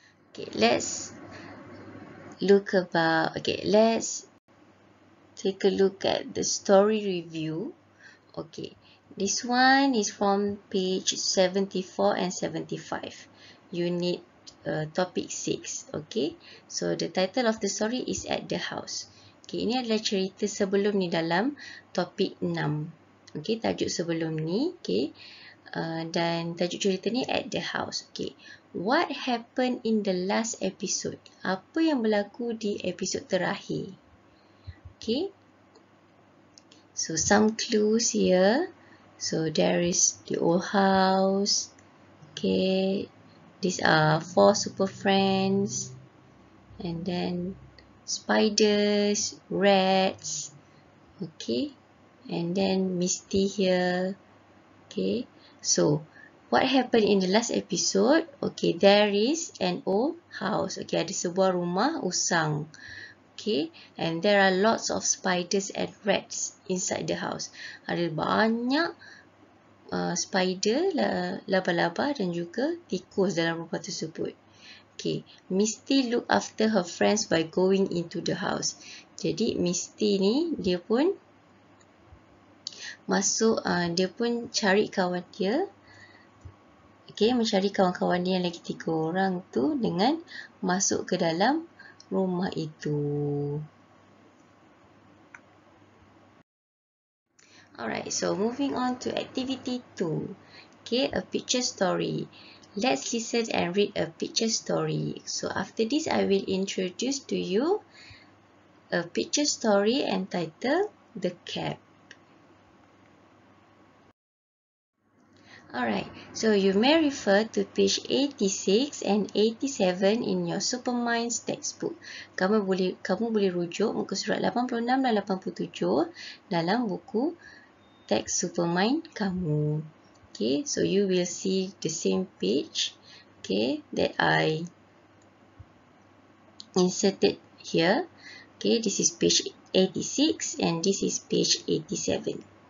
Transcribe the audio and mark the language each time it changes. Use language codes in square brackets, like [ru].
[en] Okay, let's look about, okay, let's take a look at the story review. Okay, this one is from page 74 and 75. Unit topic 6. Okay, so the title of the story is At the House. [ms] Okay, ini adalah cerita sebelum ni dalam topik 6. Okay, tajuk sebelum ni. Okay, dan tajuk cerita ni At the House. [en] Okay, what happened in the last episode? [ms] Apa yang berlaku di episod terakhir? Okay, [en] so some clues here. So there is the old house. Okay, these are 4 super friends, and then spiders, rats, okay, and then Misty here, okay. So, what happened in the last episode? Okay, there is an old house, okay, [ms] ada sebuah rumah usang, [en] okay? And there are lots of spiders and rats inside the house. [ms] Ada banyak spider, laba-laba dan juga tikus dalam rumah tersebut. [en] Okay, Misty look after her friends by going into the house. [ms] Jadi, Misty ni, dia pun masuk, dia pun cari kawan dia. Okay, mencari kawan-kawan dia yang lagi tiga orang tu dengan masuk ke dalam rumah itu. [en] Alright, so moving on to activity 2. Okay, a picture story. Let's listen and read a picture story. So after this, I will introduce to you a picture story entitled The Cap. Alright, so you may refer to page 86 and 87 in your Superminds textbook. [ms] Kamu boleh rujuk muka surat 86 dan 87 dalam buku teks Supermind kamu. [en] Okay, so you will see the same page, okay, that I inserted here. Okay, this is page 86 and this is page 87.